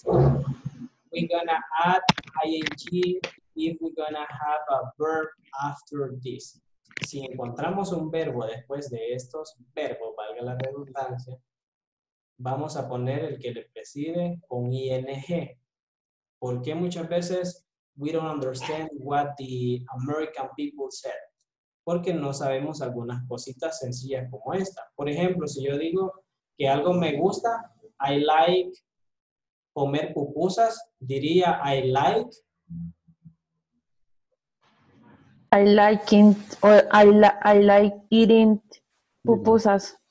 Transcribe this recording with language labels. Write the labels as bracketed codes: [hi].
[en] We're gonna add ing if we're gonna have a verb after this. [es] Si encontramos un verbo después de estos verbos, valga la redundancia, vamos a poner el que le preside con ing. Porque muchas veces [en] we don't understand what the American people said. [es] Porque no sabemos algunas cositas sencillas como esta. Por ejemplo, si yo digo que algo me gusta, [en] I like [es] comer pupusas, diría [en] I like eating pupusas.